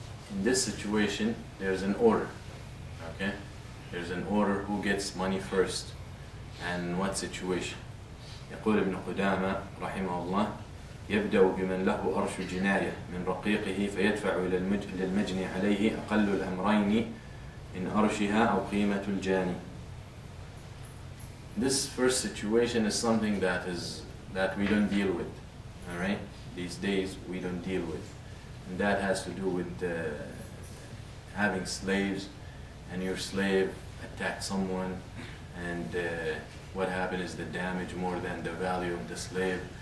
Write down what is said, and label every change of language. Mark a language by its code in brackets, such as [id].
[en] In this situation, there's an order, okay? There's an order who gets money first and what situation. [ar] يقول ابن قدامة رحمه الله يبدأ بمن له أرش جناية من رقيقه فيدفع إلى المجني عليه أقل الأمرين إن أرشها أو قيمة الجاني. [en] This first situation is something that we don't deal with, all right? These days we don't deal with. And that has to do with having slaves, and your slave attack someone, and what happened is the damage more than the value of the slave.